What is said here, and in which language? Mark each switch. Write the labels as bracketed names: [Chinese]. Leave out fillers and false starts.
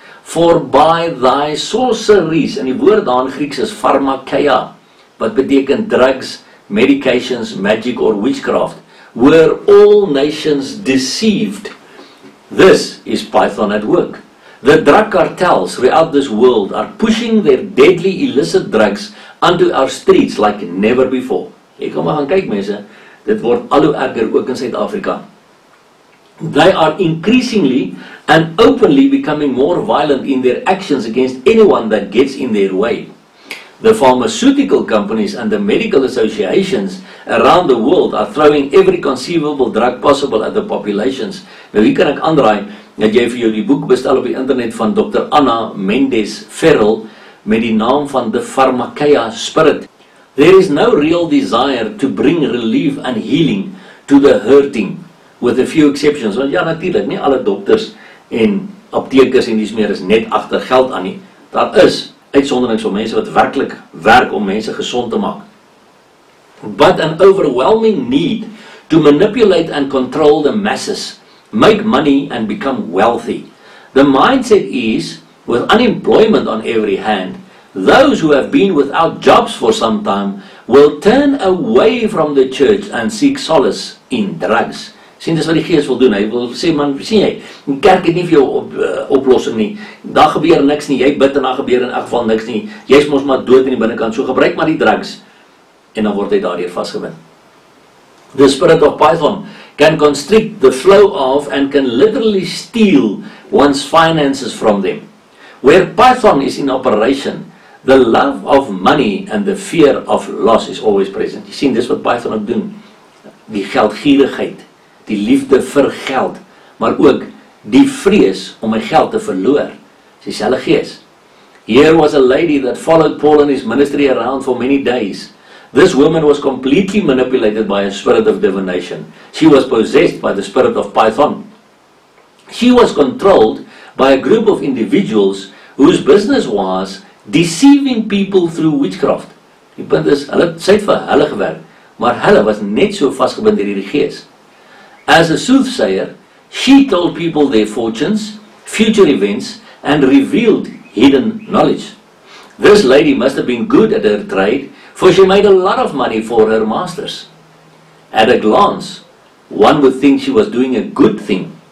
[English] For by thy sorceries, and [Afrikaans] die woord daar in Grieks is pharmakeia, wat beteken [English] drugs, medications, magic or witchcraft, were all nations deceived. This is Python at work. The drug cartels throughout this world are pushing their deadly illicit drugs onto our streets like never before. [Afrikaans] Ek kom maar gaan kyk mense, dit word al hoe erger ook in Suid-Afrika. [English] They are increasingly and openly becoming more violent in their actions against anyone that gets in their way. The pharmaceutical companies and the medical associations around the world are throwing every conceivable drug possible at the populations. [Afrikaans] Nou hier kan ek aandraai dat jy vir jou die boek bestel op die internet van Dr. Anna Mendes Ferrell met die naam van The Pharmakeia Spirit. [English] There is no real desire to bring relief and healing to the hurting, with a few exceptions. [Afrikaans] Want ja, natuurlik, nie alle dokters en aptekers en dies meer is net agter geld aan nie. Daar is uitsonderings van mense wat werklik werk om mense gesond te maak. [English] But an overwhelming need to manipulate and control the masses, make money and become wealthy. The mindset is with unemployment on every hand, those who have been without jobs for some time will turn away from the church and seek solace in drugs. [Afrikaans] Sien, dis wat die Gees wil doen, hy wil sê, man, sien jy, die kerk het nie vir jou oplossing nie, daar gebeur niks nie, jy bid en daar gebeur in elk geval niks nie, jy is mos maar dood in die binnenkant, so gebruik maar die drugs, en dan word hy daardoor vastgebind. [English] The spirit of Python can constrict the flow of and can literally steal one's finances from them. Where Python is in operation, the love of money and the fear of loss is always present. [Afrikaans] Sien, dis wat Python ook doen, die geldgierigheid, die liefde vir geld, maar ook die vrees om my geld te verloor, is dieselfde gees. [English] Here was a lady that followed Paul and his ministry around for many days. This woman was completely manipulated by a spirit of divination. She was possessed by the spirit of Python. She was controlled by a group of individuals whose business was deceiving people through witchcraft. [Afrikaans] Die punt is, hulle het vir hulle gewerk, maar hulle was net so vastgebind in die gees. [English] As a soothsayer, she told people their fortunes, future events, and revealed hidden knowledge. This lady must have been good at her trade, for she made a lot of money for her masters. At a glance, one would think she was doing a good thing.